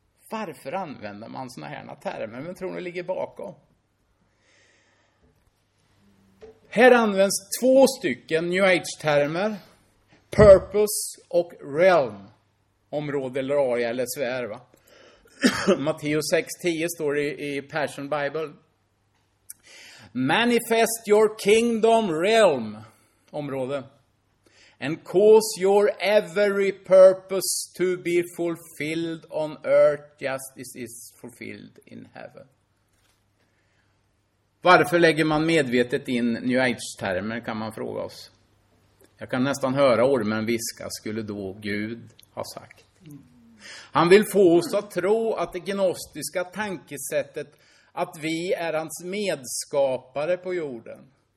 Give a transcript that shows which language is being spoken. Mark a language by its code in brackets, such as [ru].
[sv] Varför använder man såna här termer? Men tror ni ligger bakom? Här används två stycken New Age-termer. Purpose och Realm. Område eller area eller sfär, va? Matteus 6:10 står i Passion Bible. [en] Manifest your kingdom realm, [sv] område, [en] and cause your every purpose to be fulfilled on earth just as is fulfilled in heaven. [sv] Varför lägger man medvetet in New Age-termer, kan man fråga oss. Jag kan nästan höra ormen viska, skulle då Gud ha sagt. Han vill få oss att tro att det gnostiska tankesättet att vi är hans medskapare på jorden.